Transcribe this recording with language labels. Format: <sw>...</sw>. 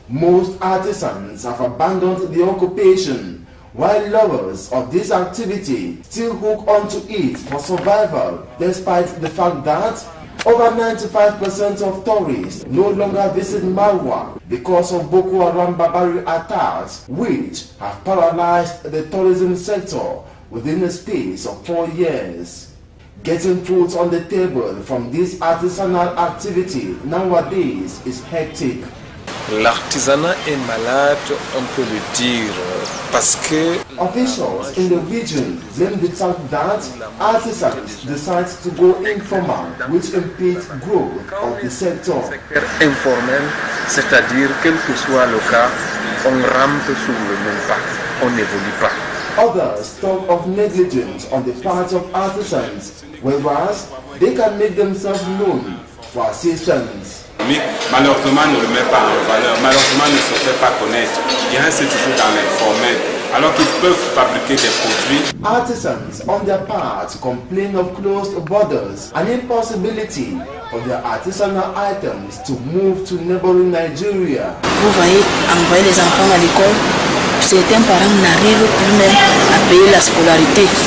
<en>Most artisans have abandoned the occupation, while lovers of this activity still hook onto it for survival, despite the fact that over 95% of tourists no longer visit Marwa because of Boko Haram barbaric attacks, which have paralyzed the tourism sector within a space of 4 years. Getting food on the table from this artisanal activity nowadays is hectic.</en> <fr>L'artisanat est malade, on peut le dire, parce que...</fr> <en>Officials in the region then detect that artisans decide to go informal, which impedes growth of the sector.</en> <fr>Informel, c'est-à-dire, quel que soit le cas, on rampe sur le même pas, on n'évolue pas.</fr> <en>Others talk of negligence on the part of artisans, whereas they can make themselves known for assistance.</en> <fr>Malheureusement, ne le met pas en valeur, malheureusement, ne se fait pas connaître. Il reste toujours dans l'informel, alors qu'ils peuvent fabriquer des produits.</fr> <en>Artisans, on their part, complain of closed borders, an impossibility for their artisanal items to move to neighboring Nigeria.</en> <fr>Vous voyez, envoyer les enfants à l'école, certains parents n'arrivent plus même à payer la scolarité.</fr>